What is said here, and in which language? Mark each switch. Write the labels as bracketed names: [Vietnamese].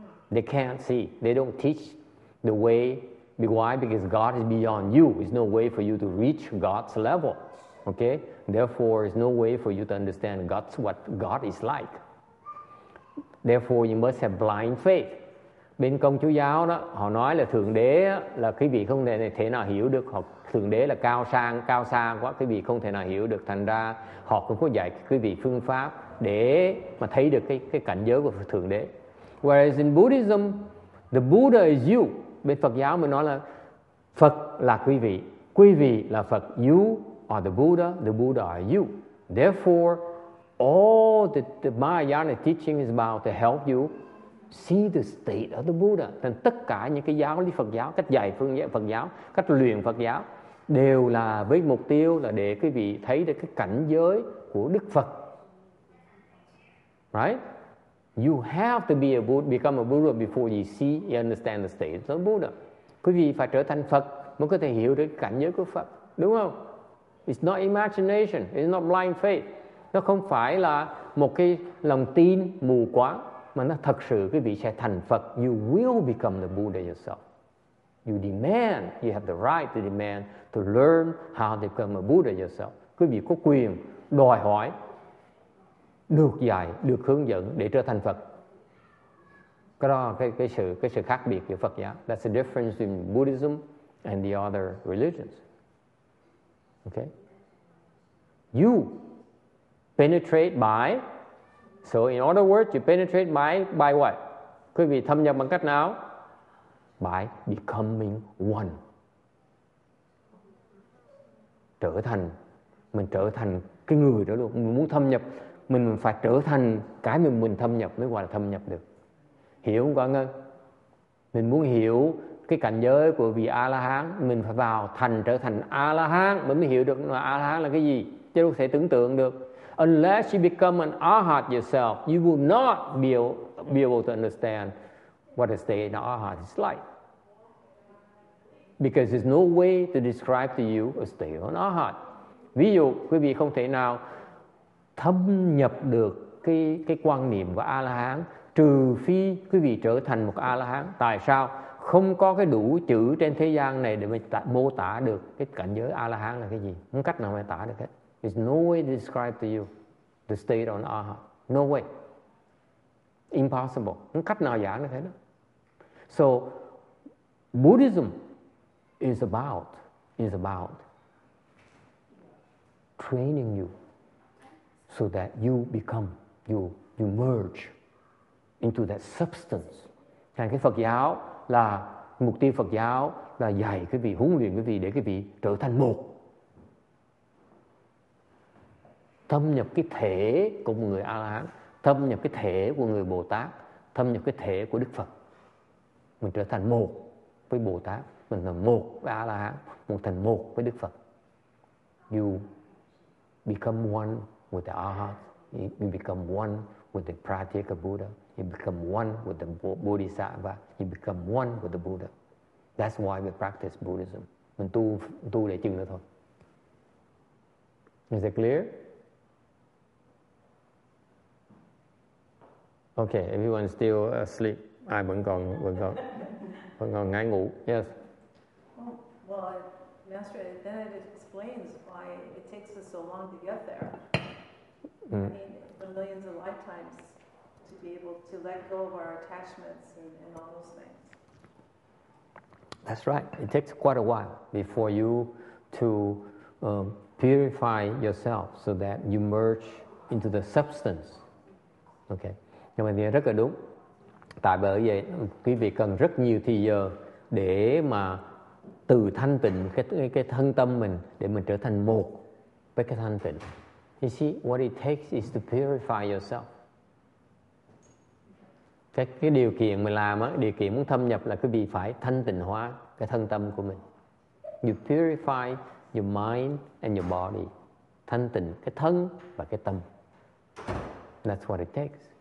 [English] They can't see. They don't teach the way. Why? Because God is beyond you. There's no way for you to reach God's level. Okay? Therefore, there's no way for you to understand God's what God is like. Therefore, you must have blind faith. [Vietnamese] Bên công chúa giáo đó, họ nói là Thượng Đế là quý vị không thể nào hiểu được. Thượng Đế là cao xa quá, quý vị không thể nào hiểu được. Thành ra họ cũng có dạy quý vị phương pháp để mà thấy được cái cảnh giới của Thượng Đế. [English] Whereas in Buddhism, the Buddha is you. [Vietnamese] Bên Phật giáo mình nói là Phật là quý vị là Phật. [English] You are the Buddha are you. Therefore, all the Mahayana teaching is about to help you see the state of the Buddha. [Vietnamese] Thành tất cả những cái giáo lý Phật giáo, cách dạy phương giáo Phật giáo, cách luyện Phật giáo đều là với mục tiêu là để quý vị thấy được cái cảnh giới của Đức Phật. [English] Right? You have to be a Buddha, become a Buddha before you see, you understand the state of the Buddha. [Vietnamese] Quý vị phải trở thành Phật mới có thể hiểu được cái cảnh giới của Phật. Đúng không? [English] It's not imagination. It's not blind faith. [Vietnamese] Nó không phải là một cái lòng tin mù quáng. Mà nó thật sự quý vị sẽ thành Phật. [English] You will become the Buddha yourself. You demand, you have the right to demand to learn how to become a Buddha yourself. [Vietnamese] Quý vị có quyền đòi hỏi, được dạy, được hướng dẫn để trở thành Phật. Cái đó là cái sự khác biệt giữa Phật giáo. [English] That's the difference in Buddhism and the other religions. Okay? You penetrate by... So in other words, you penetrate by what? [Vietnamese] Quý vị thâm nhập bằng cách nào? [English] By becoming one. [Vietnamese] Trở thành, mình trở thành cái người đó luôn. Mình muốn thâm nhập, mình phải trở thành cái mình thâm nhập mới gọi là thâm nhập được. hiểu không có ngân. Mình muốn hiểu cái cảnh giới của vị A-la-hán, mình phải vào thành trở thành A-la-hán mới hiểu được là A-la-hán là cái gì, chứ không thể tưởng tượng được. [English] Unless you become an arhat yourself, you will not be able to understand what a state of arhat is like. Because there's no way to describe to you a state of an arhat. [Vietnamese] Ví dụ, quý vị không thể nào thâm nhập được cái quan niệm của A-la-hán trừ phi quý vị trở thành một A-la-hán. Tại sao? Không có cái đủ chữ trên thế gian này để mình mô tả được cái cảnh giới A-la-hán là cái gì. Không cách nào mà tả được hết. [English] There's no way to describe to you the state of an arhat. No way. Impossible. [Vietnamese] Không cách nào giảng được hết đó. [English] So, Buddhism is about training you so that you become, you merge into that substance. [Vietnamese] Thành cái Phật giáo là mục tiêu Phật giáo là dạy quý vị, huấn luyện quý vị để quý vị trở thành một. Thâm nhập cái thể của một người A-la-hán, thâm nhập cái thể của người Bồ-Tát, thâm nhập cái thể của Đức Phật. Mình trở thành một với Bồ-Tát, mình là một với A-la-hán, mình thành một với Đức Phật. [English] You become one with the arhat, you become one with the pratyeka Buddha, you become one with the bodhisattva, you become one with the Buddha. That's why we practice Buddhism. [Vietnamese] Mình tu để chứng được thôi. [English] Is that clear? Okay, everyone still asleep. [Vietnamese] Ai vẫn còn ngái ngủ. [English] Yes. Well, Master, then it explains why it takes us so long to get there. I mean, for millions of lifetimes to be able to let go of our attachments and all those things. That's right. It takes quite a while before you to purify yourself so that you merge into the substance. [Vietnamese] Okay. Nhưng mà thì rất là đúng. Tại bởi vậy quý vị cần rất nhiều thời giờ để mà từ thanh tịnh cái thân tâm mình, để mình trở thành một với cái thanh tịnh. [English] You see, what it takes is to purify yourself. [Vietnamese] Cái điều kiện mình làm á, điều kiện muốn thâm nhập là quý vị phải thanh tịnh hóa cái thân tâm của mình. [English] You purify your mind and your body. [Vietnamese] Thanh tịnh cái thân và cái tâm. [English] That's what it takes.